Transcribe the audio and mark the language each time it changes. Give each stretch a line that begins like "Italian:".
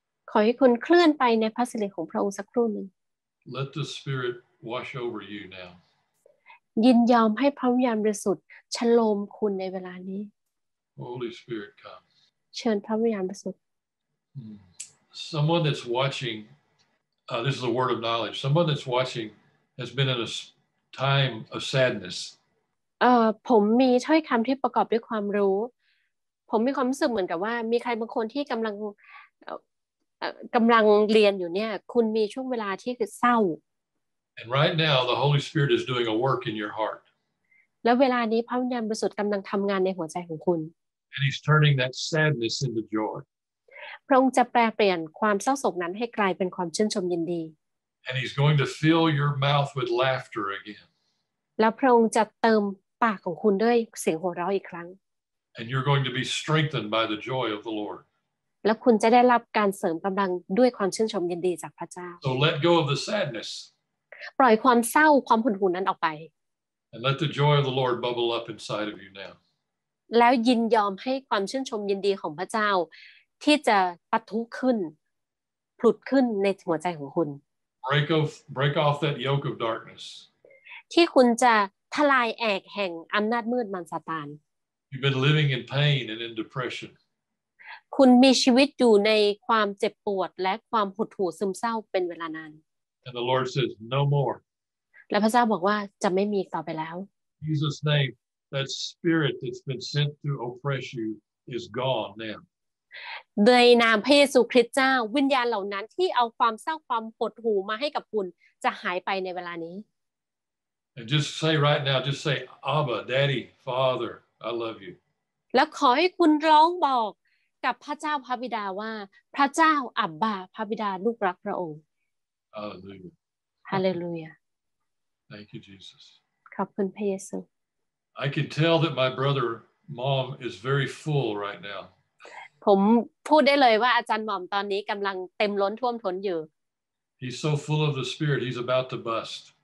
Thai: ขอให้คุณเคลื่อนไปในพระสิริของพระองค์สักครู่นึง
English: Let the Spirit wash over you now.
Thai: ยินยอมให้พระวิญญาณบริสุทธิ์ชโลมคุณในเวลานี้
English: Holy Spirit come.
Thai: เชิญพระวิญญาณบริสุทธิ์
English: Someone that's watching, this is a word of knowledge. Someone that's watching has been in a time of sadness.
Thai: ผมมีถ้อยคำที่ประกอบด้วยความรู้ผมมีความรู้สึกเหมือนกับว่ามีใครบางคนที่กำลังเรียนอยู่เนี่ยคุณมีช่วงเวลาที่คือเศร้า
English: And right now, the Holy Spirit is doing a work in your heart.
Thai: แล้วเวลานี้พระวิญญาณบริสุทธิ์กำลังทำงานในหัวใจของคุณ
English: And He's turning that sadness into joy.
Thai: พระองค์จะแปลเปลี่ยนความเศร้าโศกนั้นให้กลายเป็นความชื่นชมยินดี
English: And he's going to fill your mouth with laughter again.
Thai: แล้วพระองค์จะเติมปากของคุณด้วยเสียงหัวเราะอีกครั้ง
English: And you're going to be strengthened by the joy of the Lord.
Thai: แล้วคุณจะได้รับการเสริมกำลังด้วยความชื่นชมยินดีจากพระเจ้า
English: So let go of the sadness.
Thai: ปล่อยความเศร้าความหดหู่นั้นออกไป
English: And let the joy of the Lord bubble up inside of you now.
Thai: แล้วยินยอมให้ความชื่นชมยินดีของพระเจ้าที่จะปะทุขึ้นผลุดขึ้นในหัวใจของคุณ
English: break off that yoke of darkness
Thai: ที่คุณจะทลายแอกแห่งอำนาจมืดมารซาตาน
English: you've been living in pain and in depression
Thai: คุณมีชีวิตอยู่ในความเจ็บปวดและความหดหู่ซึมเศร้าเป็นเวลานาน
English: and the Lord says no more
Thai: และพระเจ้าบอกว่าจะไม่มีต่อไปแล้ว
English: Jesus name that spirit that's been sent to oppress you is gone now
Thai: ในนามพระเยซูคริสต์เจ้าวิญญาณเหล่านั้นที่เอาความเศร้าความหดหู่มาให้กับคุณจะหายไปในเวลานี้
English: And just say right now just say Abba Daddy Father I love you
Thai: แล้วขอให้คุณร้องบอกกับพระเจ้าพระบิดาว่าพระเจ้าอับบาพระบิดาลูกรักพระองค์
English: Hallelujah Hallelujah Thank you Jesus
Thai: ขอบคุณพระเยซู
English: I can tell that my brother mom is very full right now
Thai: ผมพูดได้เลยว่าอาจารย์หม่อมตอนนี้กำลังเต็มล้นท่วมท้นอยู่
English: He's so full of the spirit he's about to bust